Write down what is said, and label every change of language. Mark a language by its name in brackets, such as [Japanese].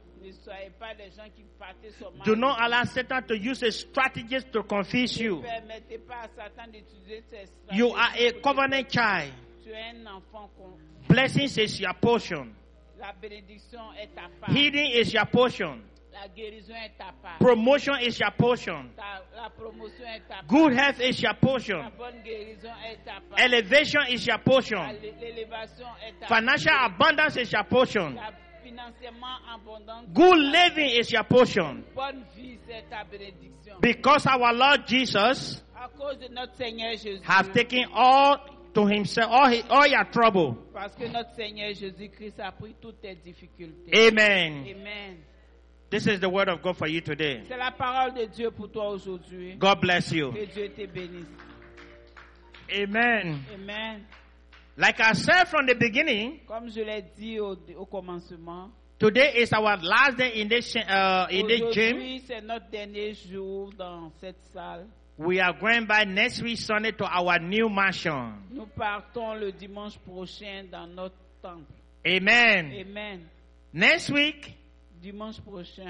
[French] Ne soyez pas des gens qui partent sur [English] Do not allow Satan to use his strategies to confuse you. [French] Permettez pas à Satan d'utiliser ses [English] strategies. You are a covenant child. [French] Tu es un enfant con. [English] Blessings is your portion. [French] La bénédiction est ta part. [English] Healing is your portion. [French] La guérison est ta part. [English] Promotion is your portion. [French] La promotion est ta part. [English] Good health is your portion. [French] La bonne guérison est ta part. [English] Elevation is your portion. [French] L'élévation est ta [English] Financial [French] part. [English] Abundance is your portion. [French] La financièrement abondance [English] Good living is your portion. [French] Bonne vie, c'est ta bénédiction. [English] Because our Lord Jesus [French] à cause de notre Seigneur Jésus [English] have taken all to himself, all your trouble. [French] Parce que notre Seigneur Jésus-Christ a pris toutes tes difficultés. [English] Amen. [French] Amen. [English] This is the word of God for you today. [French] C'est la parole de Dieu pour toi aujourd'hui. [English] God bless you. [French] Que Dieu te bénisse. [English] Amen. [French] Amen. [English] Like I said from the beginning, [French] comme je l'ai dit au commencement, [English] today is our last day in this gym. [French] Aujourd'hui, c'est notre dernier jour dans cette salle. [English] We are going by next week Sunday to our new mansion. [French] Nous partons le dimanche prochain dans notre temple. [English] Amen. [French] Amen. [English] Next week, [French] dimanche prochain,